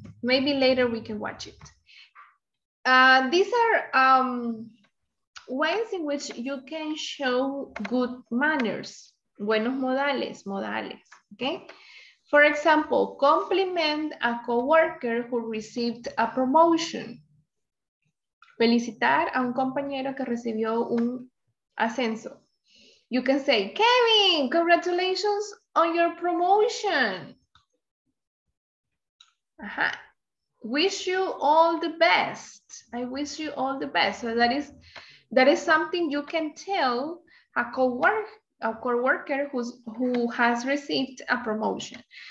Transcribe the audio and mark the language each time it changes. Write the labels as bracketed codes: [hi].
[en] Maybe later we can watch it. These are ways in which you can show good manners. [es] Buenos modales, modales, [en] okay? For example, compliment a coworker who received a promotion. [es] felicitar a un compañero que recibió un ascenso. [en] You can say, Kevin, congratulations on your promotion. Ajá. Wish you all the best. I wish you all the best. So that is something you can tell a coworker who has received a promotion.